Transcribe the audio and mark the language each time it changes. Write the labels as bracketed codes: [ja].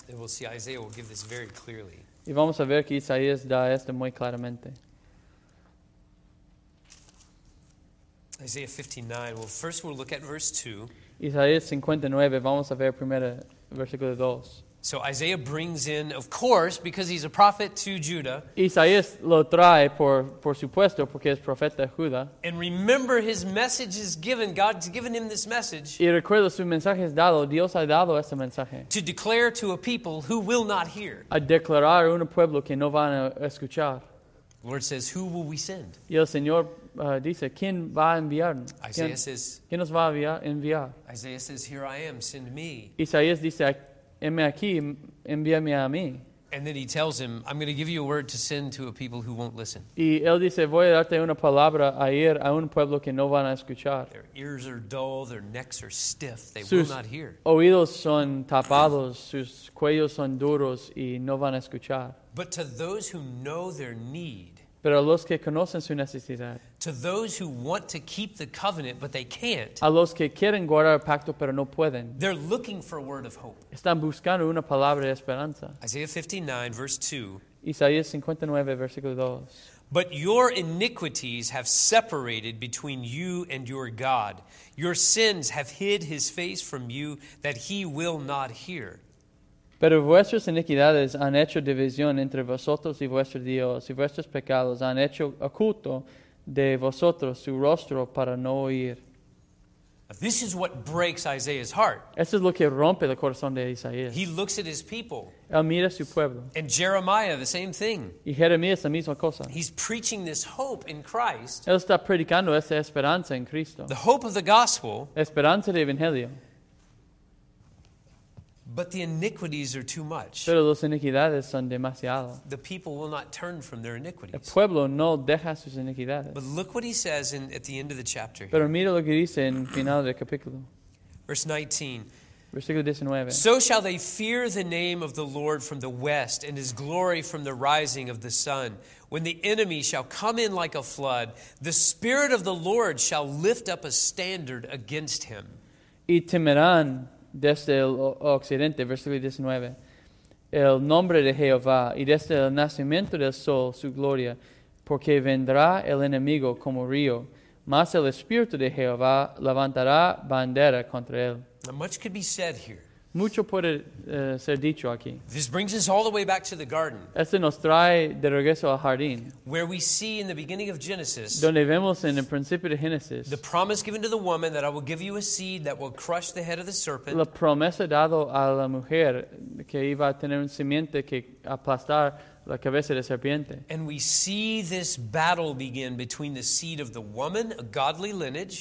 [en] And we'll see Isaiah will give this very clearly. [es] Y vamos a ver que Isaías da esto muy claramente. [en] Isaiah 59. Well, first we'll look at verse 2. [es] Isaías 59. Vamos a ver primero versículo 2. [en] So Isaiah brings in, of course, because he's a prophet to Judah. [es] Isaías lo trae por supuesto porque es profeta de Judá. [en] And remember, his message is given. God's given him this message. [es] Y recuerda, su mensaje es dado. Dios ha dado este mensaje. [en] To declare to a people who will not hear. [es] A declarar a un pueblo que no van a escuchar. [en] The Lord says, "Who will we send?" [es] Y el Señor dice, ¿quién va a enviar? ¿Quién nos va a enviar? [en] Isaiah says, "Here I am. Send me." [es] Isaías dice. Heme aquí, envíame a mí. [en] And then he tells him, I'm going to give you a word to send to a people who won't listen. [es] Y él dice, voy a darte una palabra a ir a un pueblo que no van a escuchar. [en] Their ears are dull, their necks are stiff, they will not hear. [es] Sus oídos son tapados, sus cuellos son duros y no van a escuchar. [en] But to those who know their need, [es] pero a los que conocen su necesidad, [en] to those who want to keep the covenant but they can't, [es] a los que quieren guardar el pacto pero no pueden, [en] they're looking for a word of hope. [es] Están buscando una palabra de esperanza. [en] Isaiah 59, verse 2. [es] Isaías 59, versículo 2. [en] But your iniquities have separated between you and your God. Your sins have hid his face from you that he will not hear. [es] Pero vuestras iniquidades han hecho división entre vosotros y vuestro Dios, y vuestros pecados han hecho oculto de vosotros su rostro para no oír. [en] This is what breaks Isaiah's heart. [es] Esto es lo que rompe el corazón de Isaías. [en] He looks at his people. [es] Él mira su pueblo. [en] And Jeremiah, the same thing. [es] Y Jeremías, la misma cosa. [en] He's preaching this hope in Christ. [es] Él está predicando esta esperanza en Cristo. [en] The hope of the gospel. [es] Esperanza del Evangelio. [en] But the iniquities are too much. [es] Pero las iniquidades son demasiado. [en] The people will not turn from their iniquities. [es] El pueblo no deja sus iniquidades. [en] But look what he says in at the end of the chapter. [es] Pero mira lo que dice en final del capítulo. [en] Verse 19. [es] Versículo 19. [en] So shall they fear the name of the Lord from the west, and his glory from the rising of the sun. When the enemy shall come in like a flood, the Spirit of the Lord shall lift up a standard against him. [es] Y temerán desde el occidente, versículo 19, el nombre de Jehová, y desde el nacimiento del sol su gloria, porque vendrá el enemigo como río, mas el Espíritu de Jehová levantará bandera contra él. [en] Now much could be said here. [es] Mucho puede ser dicho aquí. [en] This brings us all the way back to the garden. [es] Este nos trae de regreso al jardín. [en] Where we see in the beginning of Genesis. [es] Donde vemos en el principio de Génesis. [en] The promise given to the woman that I will give you a seed that will crush the head of the serpent. [es] La promesa dado a la mujer que iba a tener un simiente que aplastar la cabeza de serpiente. [en] And we see this battle begin between the seed of the woman, a godly lineage.